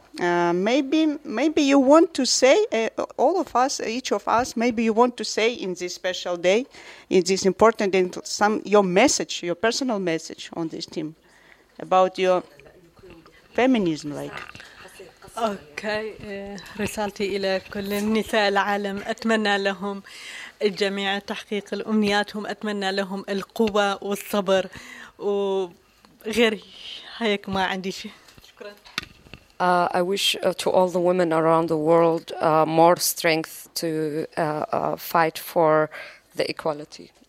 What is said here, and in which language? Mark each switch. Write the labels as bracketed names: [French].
[English] Maybe you want to say, all of us, each of us, maybe you want to say in this special day, in this important day, some your message, your personal message on this team about your feminism, like. [Arabic] Okay, رسالتي إلى كل النساء العالم. أتمنى لهم الجميع تحقيق الأمنياتهم. أتمنى لهم القوة والصبر وغير هيك ما عندي شيء. [English] I wish to all the women around the world more strength to fight for the equality.